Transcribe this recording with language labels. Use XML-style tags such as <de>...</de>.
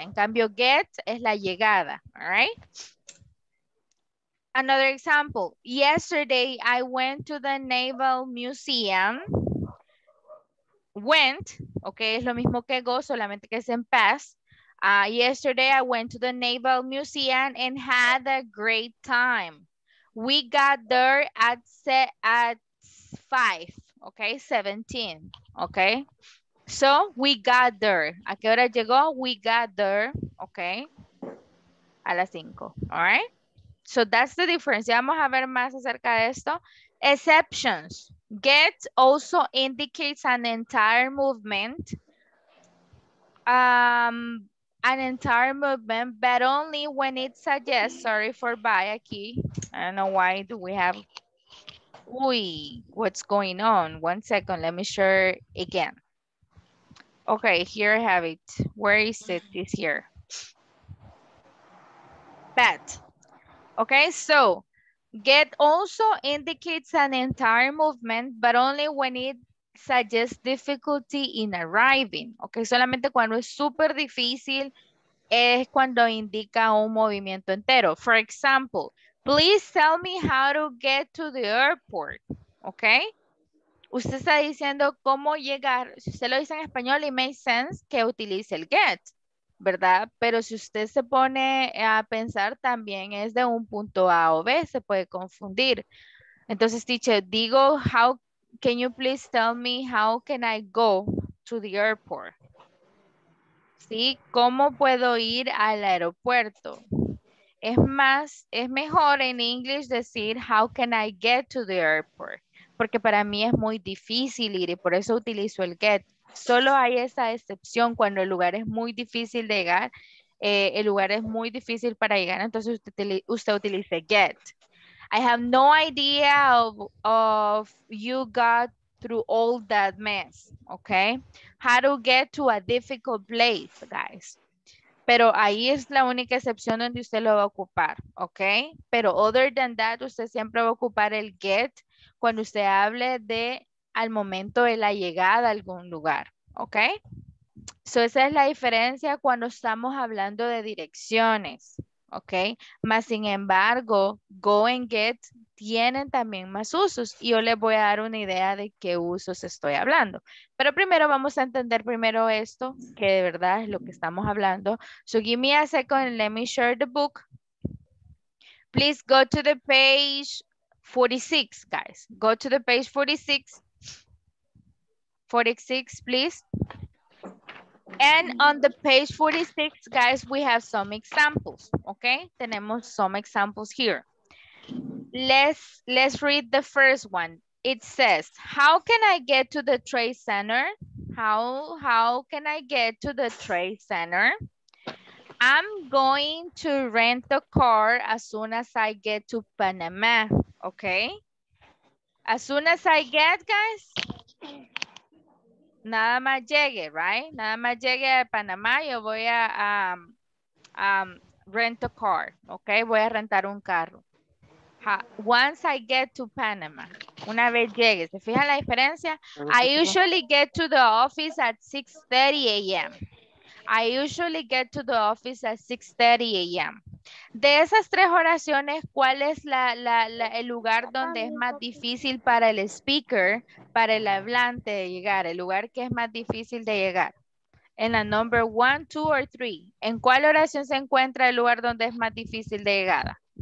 <es>En cambio, get es la llegada,</es> <en>all right? Another example. Yesterday, I went to the Naval Museum.</en> <es>Went, okay, es lo mismo que go, solamente que es en past.</es> <en>Yesterday, I went to the Naval Museum and had a great time. We got there at 5, okay, 17, okay? So, we got there.</en> <es>¿A qué hora llegó?</es> <en>We got there, okay?</en> <es>A las 5,</es> <en>all right? So, that's the difference.</en> <es>Ya vamos a ver más acerca de esto.</es> <en>Exceptions. Get also indicates an entire movement. An entire movement, but only when it suggests, sorry for by aquí, I don't know why do we have, uy, what's going on? 1 second, let me share again. Okay, here I have it. Where is it? It's here. But, okay, so get also indicates an entire movement, but only when it suggest difficulty in arriving, okay?</en> <es>Solamente cuando es súper difícil es cuando indica un movimiento entero.</es> <en>For example, please tell me how to get to the airport, okay?</en> <es>Usted está diciendo cómo llegar, si usted lo dice en español,</es> <en>it makes sense</en> <es>que utilice el get, ¿verdad? Pero si usted se pone a pensar, también es de un punto A o B, se puede confundir. Entonces, teacher, digo,</es> <en>how can you please tell me how can I go to the airport?</en> <es>¿Sí? ¿Cómo puedo ir al aeropuerto? Es mejor en inglés decir</es> <en>how can I get to the airport.</en> <es>Porque para mí es muy difícil ir y por eso utilizo el get. Solo hay esa excepción cuando el lugar es muy difícil de llegar. El lugar es muy difícil para llegar. Entonces usted utilice get.</es> <en>I have no idea of you got through all that mess, okay? How to get to a difficult place, guys.</en> <es>Pero ahí es la única excepción donde usted lo va a ocupar, okay? Pero</es> <en>other than that,</en> <es>usted siempre va a ocupar el get cuando usted hable de al momento de la llegada a algún lugar, okay? So esa es la diferencia cuando estamos hablando de direcciones. Okay, mas sin embargo, go and get tienen también más usos. Y yo les voy a dar una idea de qué usos estoy hablando. Pero primero vamos a entender primero esto, que de verdad es lo que estamos hablando.</es> <en>So give me a second, let me share the book. Please go to the page 46, guys. Go to the page 46. 46, please. And on the page 46, guys, we have some examples, okay?</en> <es>Tenemos</es> <en>some examples here. Let's read the first one. It says, how can I get to the trade center? How can I get to the trade center? I'm going to rent a car as soon as I get to Panama, okay? As soon as I get, guys,</en> <es>nada más llegue,</es> <en>right?</en> <es>Nada más llegue a Panamá, yo voy a</es> <en>rent a car,</en> <es>okay? Voy a rentar un carro.</es> <en>Once I get to Panama,</en> <es>una vez llegue, ¿se fijan la diferencia?</es> <en>I usually get to the office at 6:30 a.m. I usually get to the office at 6:30 a.m.</en> <es>De esas tres oraciones, ¿cuál es el lugar donde es más difícil para el speaker, para el hablante de llegar? El lugar que es más difícil de llegar. En la</es> <en>number one, two, or three.</en> <es>¿En cuál oración se encuentra el lugar donde es más difícil de llegada?</es>